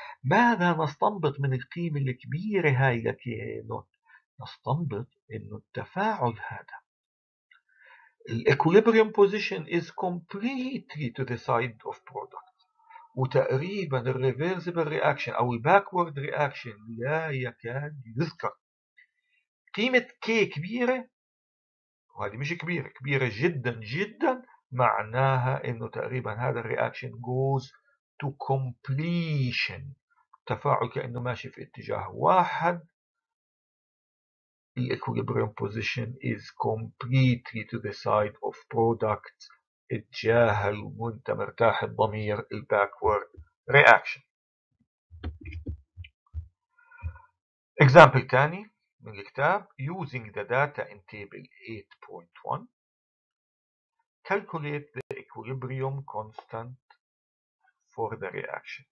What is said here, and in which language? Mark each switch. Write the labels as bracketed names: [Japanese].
[Arabic] ماذا نستنبط من القيمة الكبيرة هاي لكي نوت؟ نستنبط إنه التفاعل هذا الإكوليبريوم بوزيشن [English] is completely to the side of product، [Arabic] وتقريبا الريفيرسيبل رياكشن أو الباكورد رياكشن لا يكاد يذكر. قيمة K كبيرة، وهذه مش كبيرة، كبيرة جدا جدا، معناها إنه تقريبا هذا الرياكشن [English] goes to completion، [Arabic] التفاعل كأنه ماشي في اتجاه واحد. [English] The equilibrium position is completely to the side of product. [Arabic] اتجاهل وانت مرتاح الضمير الـ backward reaction. Example تاني من الكتاب. [English] Using the data in table 8.1, calculate the equilibrium constant for the reaction.